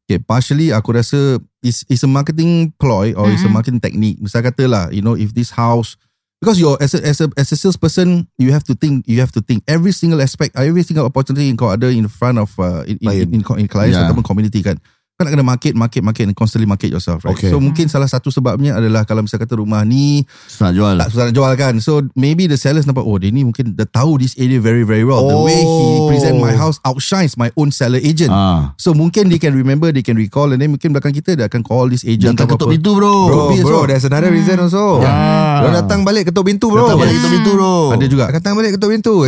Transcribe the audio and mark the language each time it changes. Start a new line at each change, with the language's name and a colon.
English: Okay, partially
Malay: aku rasa
English: it's a marketing ploy or it's a marketing technique.
Malay: Misal kata lah,
English: you know, if this house, because you're as a salesperson, you have to think. You have to think every single aspect, every single opportunity in
Malay: kau ada
English: in front of in clients
Malay: atau
English: community kan.
Malay: Kau nak kena
English: market and constantly market yourself. Right? Okay.
Malay: So mungkin salah satu sebabnya adalah kalau misalkan kata rumah ni susah jual, tak susah jual kan.
English: So maybe the sellers
Malay: nampak, oh dia ni mungkin dia tahu
English: this area very very well. The way he present my house outshines my own seller agent. So
Malay: mungkin
English: they can remember, they can recall, and then
Malay: mungkin belakang kita dia akan
English: call this agent.
Malay: Jangan ketuk pintu bro.
English: Bro, there's another reason also. Yeah.
Malay: Datang balik ketuk pintu bro. Ada juga. Datang balik ketuk pintu.